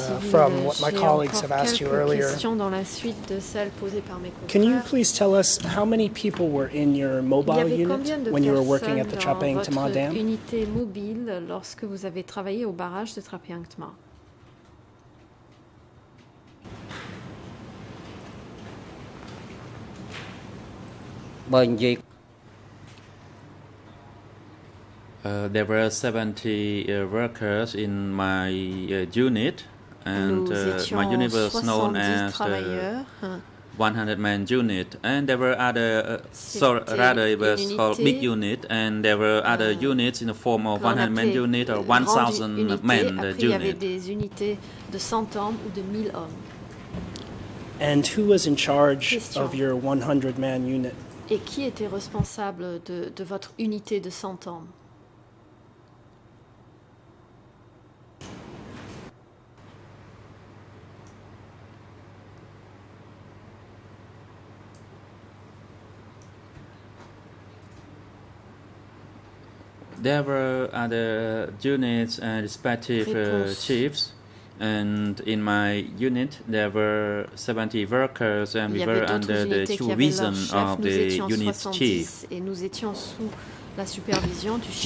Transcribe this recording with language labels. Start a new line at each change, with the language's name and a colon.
English: from what my colleagues have asked you earlier.
French: Dans la suite de celles posées par mes confrères.
English: Can you please tell us how many people were in your mobile unit when you were working at the Trapeang Tma Dam?
French: Unité mobile lorsque vous avez travaillé au barrage de Trapeang Tma.
English: There were 70 workers in my unit, and my unit was known as the 100-man unit. And there were other, it was called big unit, and there were other units in the form of 100-man unit or 1,000-man unit.
French: Après, il y avait des unités de 100 hommes ou de 1,000 hommes.
English: And who was in charge of your 100-man unit?
French: Et qui était responsable de votre unité de 100 hommes?
English: There were other units and respective chiefs, and in my unit there were 70 workers, and we were under the supervision of the unit chief.
French: Et nous étions sous la supervision du chef.